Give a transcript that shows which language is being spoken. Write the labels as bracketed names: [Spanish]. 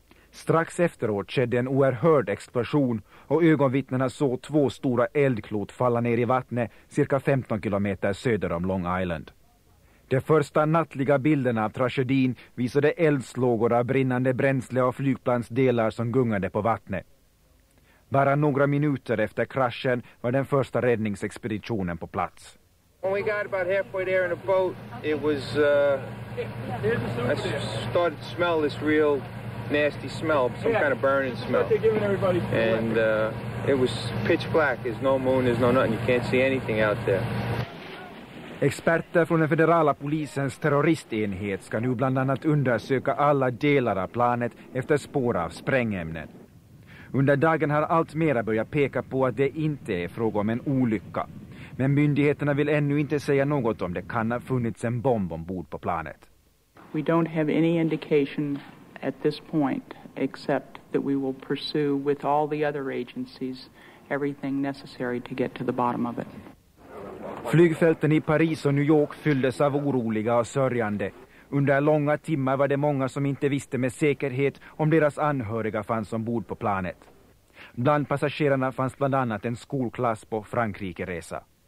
[Swedish] Strax efteråt skedde en oerhörd explosion och ögonvittnena såg två stora eldklot falla ner i vattnet cirka 15 kilometer söder om Long Island. De första nattliga bilderna av tragedin visade eldslågor av brinnande bränsle och flygplansdelar som gungade på vattnet. Bara några minuter efter kraschen var den första räddningsexpeditionen på plats. [English] When we got about halfway there in a boat, it was started to smell this real nasty smell, some kind of burning smell. And it was pitch black. There's no moon, there's no nothing. You can't see anything out there. [Swedish] Experter från den federala polisens terroristenhet ska nu bland annat undersöka alla delar av planet efter spår av sprängämnen. Under dagen har allt mera börjat peka på att det inte är fråga om en olycka. Men myndigheterna vill ännu inte säga något om det kan ha funnits en bomb ombord på planet. [English] We don't have any indication at this point except that we will pursue with all the other agencies everything necessary to get to the bottom of it. [Swedish] Flygfälten i Paris och New York fylldes av oroliga och sörjande. Under långa timmar var det många som inte visste med säkerhet om deras anhöriga fanns ombord på planet. Bland passagerarna fanns bland annat en skolklass på Frankrike-resa.